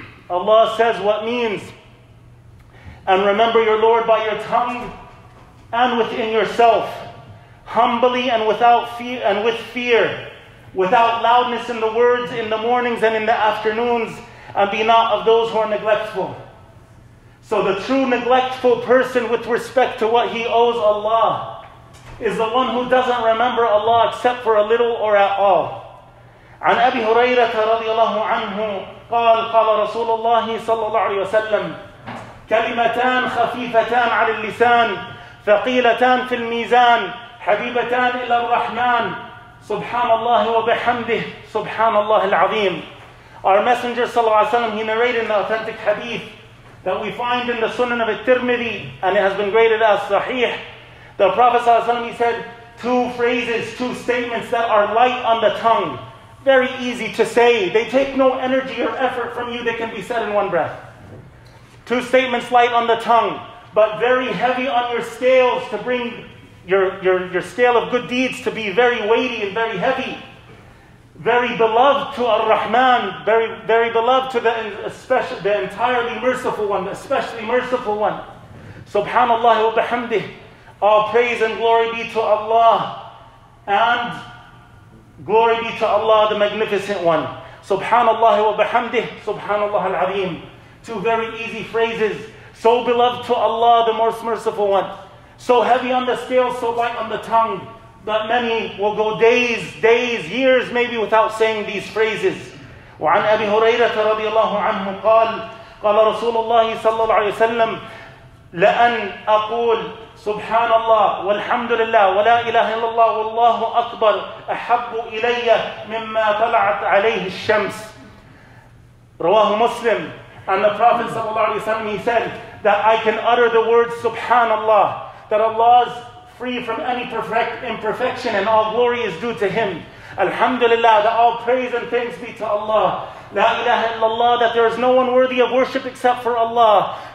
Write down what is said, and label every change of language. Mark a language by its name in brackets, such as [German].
[English] Allah says what means, and remember your Lord by your tongue and within yourself, humbly and without fear, and with fear, without loudness in the words, in the mornings and in the afternoons, and be not of those who are neglectful. So the true neglectful person with respect to what he owes Allah is the one who doesn't remember Allah except for a little or at all. [Arabic] عن أبي هريرة رضي الله عنه قال قال رسول الله صلى الله عليه وسلم كلمتان خفيفتان على اللسان ثقيلتان في الميزان حبيبتان إلى الرحمن سبحان الله وبحمده سبحان الله العظيم. [English] Our messenger [Arabic] صلى الله عليه وسلم, [English] he narrated an authentic hadith that we find in the Sunan of At-Tirmidhi, and it has been graded as Sahih. The Prophet [Arabic] صلى الله عليه وسلم, [English] he said, two phrases, two statements that are light on the tongue, very easy to say, they take no energy or effort from you, they can be said in one breath. Two statements light on the tongue, but very heavy on your scales to bring your scale of good deeds to be very weighty and very heavy. Very beloved to Ar-Rahman, very, very beloved to the entirely merciful one, the especially merciful one. [Arabic] Subhanallah wa bihamdih. [English] All praise and glory be to Allah. And glory be to Allah, the magnificent one. [Arabic] Subhanallah wa bihamdih. Subhanallah al-Azim. [English] Two very easy phrases. So beloved to Allah, the most merciful one. So heavy on the scale, so light on the tongue. But many will go days, years maybe without saying these phrases. [Arabic] وعن أبي هريرة رضي الله عنه قال قال رسول الله صلى الله عليه وسلم لأن أقول سبحان الله والحمد لله ولا إله إلا الله والله أكبر أحب إلي مما طلعت عليه الشمس. رواه مسلم. [English] And the Prophet [Arabic] صلى الله عليه وسلم, [English] he said that I can utter the words [Arabic] سبحان الله, [English] that Allah's free from any imperfection and all glory is due to Him. [Arabic] Alhamdulillah, [English] that all praise and thanks be to Allah. [Arabic] La ilaha illallah, [English] that there is no one worthy of worship except for Allah.